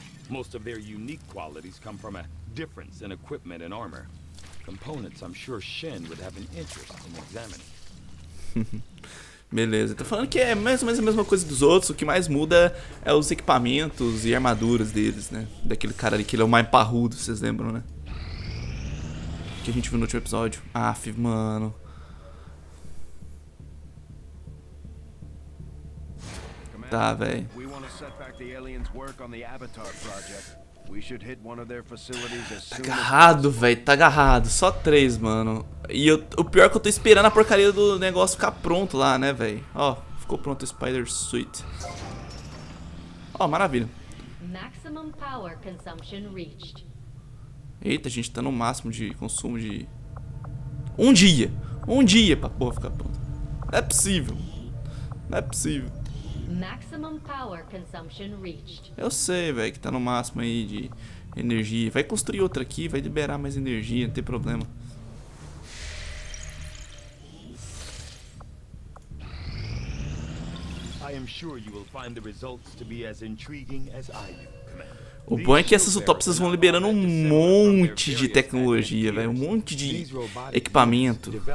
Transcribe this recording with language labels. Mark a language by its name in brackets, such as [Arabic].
[English] Most of their unique qualities come from a difference in equipment and armor. Components I'm sure Shen would have an interest in examining. [Portuguese] Beleza, tá falando que é mais ou menos a mesma coisa dos outros. O que mais muda é os equipamentos e armaduras deles, né? Daquele cara ali que ele é o mais parrudo, vocês lembram, né? Que a gente viu no último episódio. Aff, mano. Tá, velho. [English] We want to set back the aliens' work on the Avatar project. We should hit one of their facilities as soon as... [Portuguese] Tá agarrado, velho. Tá agarrado. Só 3, mano. E eu, o pior é que eu tô esperando a porcaria do negócio ficar pronto lá, né, velho? Ó, ficou pronto o Spider Suit. Ó, maravilha. [English] Maximum power consumption reached. [Portuguese] Eita, a gente tá no máximo de consumo de... Um dia. Um dia pra porra ficar pronto. Não é possível. Não é possível. [English] Maximum power consumption reached. [Portuguese] Eu sei, velho, que tá no máximo aí de energia. Vai construir outra aqui, vai liberar mais energia, não tem problema. [English] I am sure you will find the results to be as intriguing as I do. [Portuguese] O bom é que essas autópsias vão liberando um monte de tecnologia, velho, um monte de equipamento.